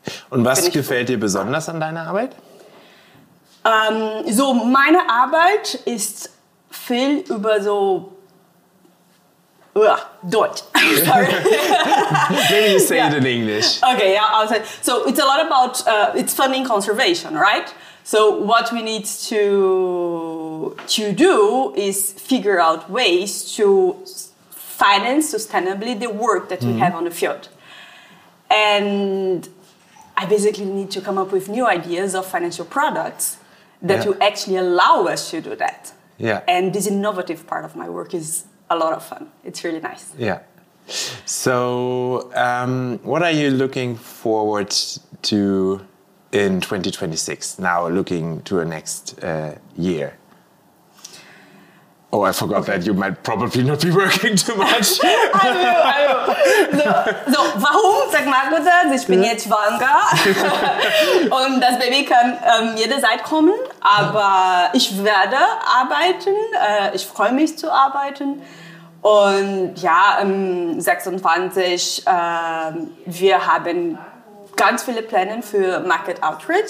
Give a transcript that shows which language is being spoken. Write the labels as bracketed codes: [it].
[de] Und was gefällt dir besonders an deiner Arbeit? So, meine Arbeit ist viel über so Deutsch. [en] Maybe you say it in English. Okay, I'll say. So, it's a lot about it's funding conservation, right? So, what we need to do is figure out ways to finance sustainably the work that we have on the field. And I basically need to come up with new ideas of financial products that will actually allow us to do that. Yeah. And this innovative part of my work is a lot of fun. It's really nice. Yeah. So, what are you looking forward to in 2026, now looking to the next year? Oh, I forgot that you might probably not be working too much. I will. [de] So, warum, sag mal kurz, ich bin jetzt schwanger und das Baby kann jederzeit kommen, aber ich werde arbeiten, ich freue mich zu arbeiten. Und ja, 26, wir haben ganz viele Pläne für Market Outreach.